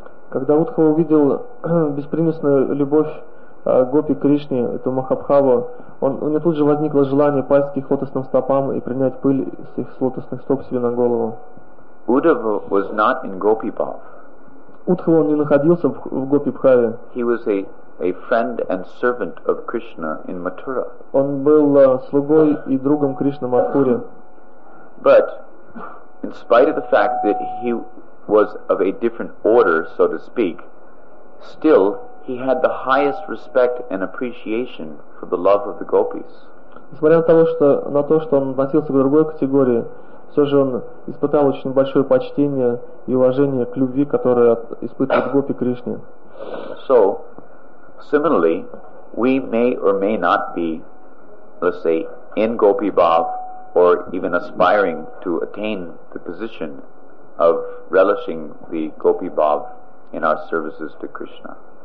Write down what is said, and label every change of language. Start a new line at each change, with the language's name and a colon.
Russian: Когда Удхава увидел беспримесную любовь гопи Кришне, эту Махабхаву, у него тут же возникло желание пасть к их лотосным стопам и принять пыль с их лотосных стоп себе на голову.
English: Uddhava was not in Gopi Bhav.
Russian: Удхава не находился в Гопи Бхаве.
English: He was a friend and servant of Krishna in Mathura.
Russian: Он был слугой и другом Кришны в Матхуре.
English: But in spite of the fact that he was of a different order, so to speak, still he had the highest respect and appreciation for the love of the gopis.
Russian: Несмотря на то, что он относился к другой категории, все же он испытал очень большое почтение и уважение к любви, которую испытывает гопи Кришне.
English: So, similarly, we may or may not be, let's say, in Gopi Bhav, or even aspiring to attain the position of relishing the Gopi Bhav in our services to Krishna.